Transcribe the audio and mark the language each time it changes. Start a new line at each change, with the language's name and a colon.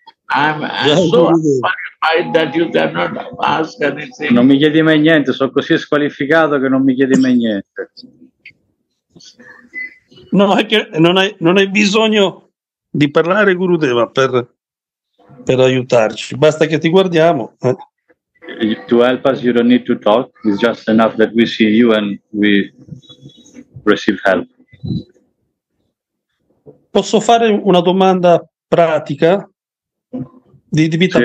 English: I'm so qualified that you cannot ask anything.
Italian: Non mi chiedi mai niente, sono così squalificato che non mi chiedi mai niente. No, è che non hai bisogno di parlare, Gurudeva, per aiutarci. Basta che ti guardiamo.
English: To help us, you don't need to talk. It's just enough that we see you and we receive help.
Italian: Posso fare una domanda pratica, di vita sì.